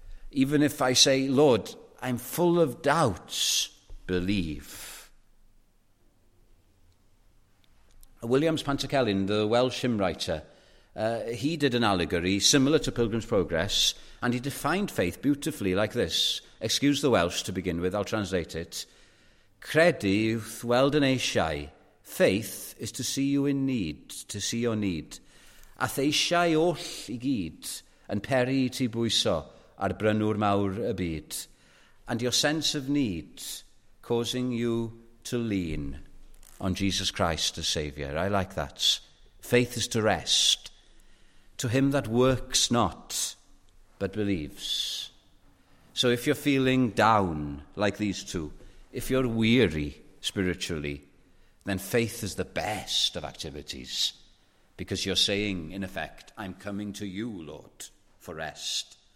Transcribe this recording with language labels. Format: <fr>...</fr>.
<en>Even if I say, "Lord, I'm full of doubts, believe." Williams Pantycelyn, the Welsh hymn writer, he did an allegory similar to Pilgrim's Progress, and he defined faith beautifully like this. Excuse the Welsh to begin with, I'll translate it.</en> <cy>"Credu wrth weld yn eisiau.</cy> <en>Faith is to see you in need, to see your need.</en> <cy>A theisiau oll i gyd yn peri i ti bwyso ar brynwr mawr y byd.</cy> <en>And your sense of need causing you to lean on Jesus Christ as Saviour." I like that. Faith is to rest. To him that works not, but believes. So if you're feeling down like these two, if you're weary spiritually, then faith is the best of activities, because you're saying, in effect, "I'm coming to you, Lord, for rest.</en>